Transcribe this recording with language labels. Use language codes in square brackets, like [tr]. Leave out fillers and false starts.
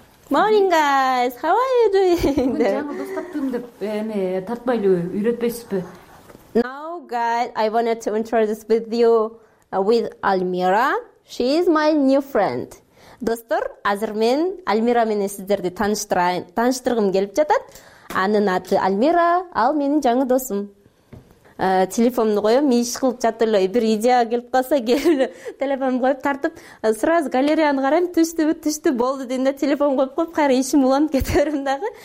[en] Morning guys, how are you doing? [ky] Бүгүн жаңы дос таптым деп эме тартпай элеби, үйрөтпөйсүзбү? [en] Now guys, I wanted to introduce with you with Almira. She is my new friend. [ky] Достор, азыр мен Almira менен сиздерди тааныштыргым келип жатат. Анын аты Almira, ал менин жаңы досум. Телефонду коем, иш кылып жатып эле бир идея келип калса, келип эле телефонду коюп тартып, сразу галереяны карайм, түштүбү, түштү, болду дегенде телефон коюп коюп, кайра ишим уланып кете берем дагы.